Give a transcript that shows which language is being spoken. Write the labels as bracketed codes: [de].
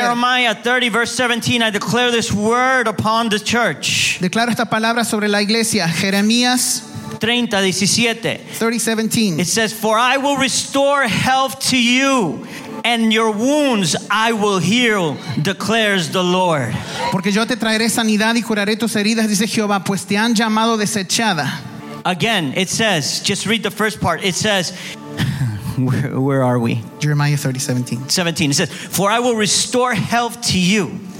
[en] Jeremiah 30 verse 17, I declare this word upon the church. [es] Declaro esta palabra sobre la iglesia. Jeremías 30:17. [en] It says, for I will restore health to you, and your wounds I will heal, declares the Lord. [es] Porque yo te traeré sanidad y curaré tus heridas, dice Jehová, pues te han llamado desechada. [en] Again, it says, just read the first part. It says, where are we? Jeremiah 30:17. It says, for I will restore health to you.